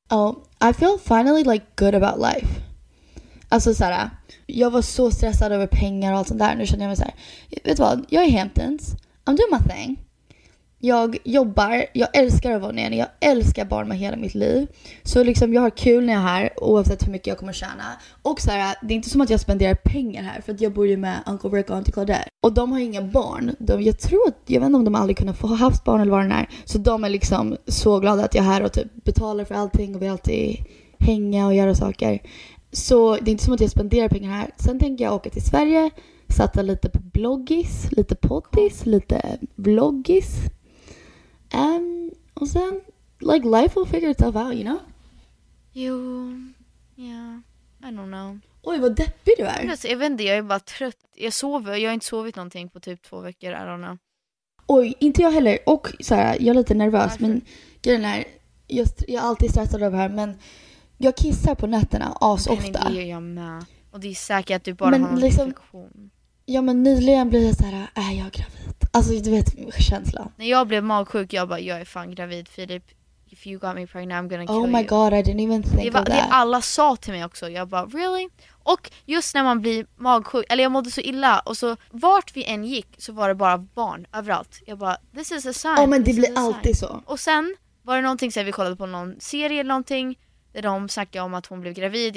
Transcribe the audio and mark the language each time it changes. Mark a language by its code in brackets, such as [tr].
[en] Oh, I feel finally like good about life. [sv] Alltså såhär, jag var så stressad över pengar och allt sånt där. Nu känner jag mig såhär, vet du vad, jag är Hamptons. [en] I'm doing my thing. [sv] Jag jobbar, jag älskar att vara nere. Jag älskar barn med hela mitt liv. Så liksom, jag har kul när jag är här, oavsett hur mycket jag kommer tjäna. Och såhär, det är inte som att jag spenderar pengar här. För att jag bor ju med Uncle Rick och Auntie Claudette. Och de har inga barn. Jag vet inte om de aldrig kunnat få ha haft barn eller vad det är. Så de är liksom så glada att jag är här och typ betalar för allting. Och vill alltid hänga och göra saker. Så det är inte som att jag spenderar pengar här. Sen tänker jag åka till Sverige, satsa lite på bloggis, lite poddis, lite vloggis. Och sen [en] like life will figure itself out, you know? Jo, yeah, I don't know. [sv] Oj, vad deppig du är. Jag vet inte, jag är bara trött. Jag sover, jag har inte sovit någonting på typ 2 veckor, [en] I don't know. [sv] Oj, inte jag heller. Och såhär, jag är lite nervös. Varför? Men grejen är, jag är alltid stressad över här, men jag kissar på nätterna as ofta. Det gör jag med. Och det är säkert att du bara men har en liksom, infektion. Ja, men nyligen blev jag så här, är jag gravid? Alltså du vet känslan. När jag blev magsjuk, jag bara, jag är fan gravid, Filip. [en] If you got me pregnant, I'm gonna kill you. Oh my god, I didn't even think of that. [sv] Det alla sa till mig också. Jag bara, [en] really? [sv] Och just när man blir magsjuk, eller jag mådde så illa. Och så vart vi än gick så var det bara barn överallt. Jag bara, [en] this is a sign. [sv] Ja, men det blir alltid så. Och sen var det någonting, så här, vi kollade på någon serie eller någonting. Där de snackade om att hon blev gravid.